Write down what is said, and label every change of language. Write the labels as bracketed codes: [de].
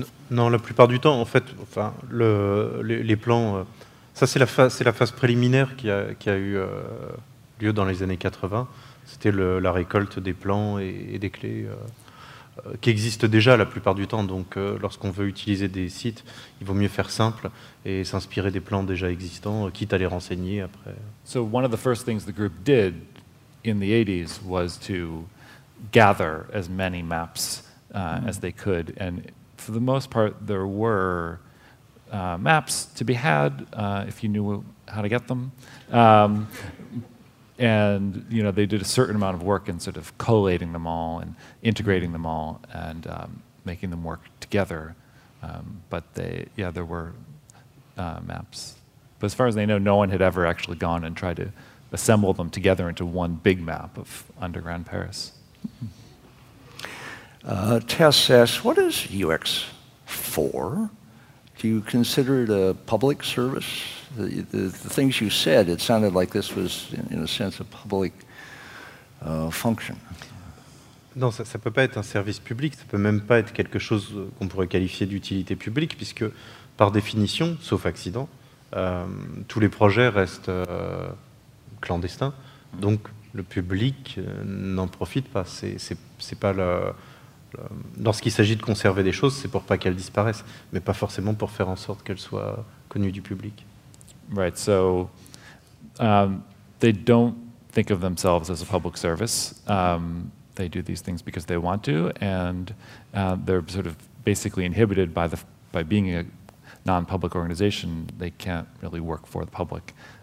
[fr] Non, la plupart du temps, en fait, enfin, les plans, ça c'est la phase préliminaire qui a eu lieu dans les années 80. C'était la récolte des plans et des clés qui existent déjà la plupart du temps. Donc lorsqu'on veut utiliser des sites, il vaut mieux faire simple et s'inspirer des plans déjà existants, quitte à les renseigner après. [en] So one of the first things the group did in the 80s was to gather as many maps as they could. And for the most part, there were maps to be had if you knew how to get them. And you know, they did a certain amount of work in sort of collating them all and integrating them all and making them work together. But there were maps. But as far as they know, no one had ever actually gone and tried to assemble them together into one big map of underground Paris. Tess says, what is UX for? Do you consider it a public service? The things you said, it sounded like this was, in a sense, a public function. [fr] Non, ça peut pas être un service public, ça peut même pas être quelque chose qu'on pourrait qualifier d'utilité publique, puisque, par définition, sauf accident, tous les projets restent clandestins, donc le public n'en profite pas. C'est pas le... Lorsqu'il s'agit de conserver des choses, c'est pour pas qu'elles disparaissent, mais pas forcément pour faire en sorte qu'elles soient connues du public. [en] Right, so they don't think of themselves as a public service. They do these things because they want to, and they're sort of basically inhibited by being a non-public organization. They can't really work for the public.